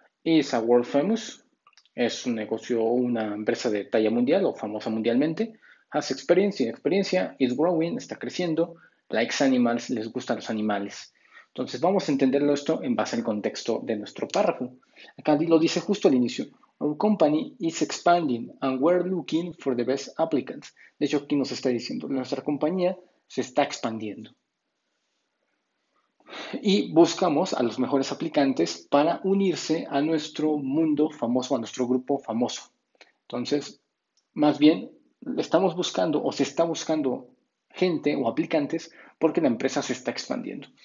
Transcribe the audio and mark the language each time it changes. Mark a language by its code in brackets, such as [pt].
[es] Es a World Famous. Es un negocio o una empresa de talla mundial o famosa mundialmente. [en] Has experience, [es] tiene experiencia, [en] is growing, [es] está creciendo. [en] Likes animals, [es] les gustan los animales. Entonces vamos a entenderlo esto en base al contexto de nuestro párrafo. Acá lo dice justo al inicio. [en] Our company is expanding and we're looking for the best applicants. [es] De hecho, aquí nos está diciendo, nuestra compañía se está expandiendo. Y buscamos a los mejores aplicantes para unirse a nuestro mundo famoso, a nuestro grupo famoso. Entonces, más bien, estamos buscando o se está buscando gente o aplicantes porque la empresa se está expandiendo.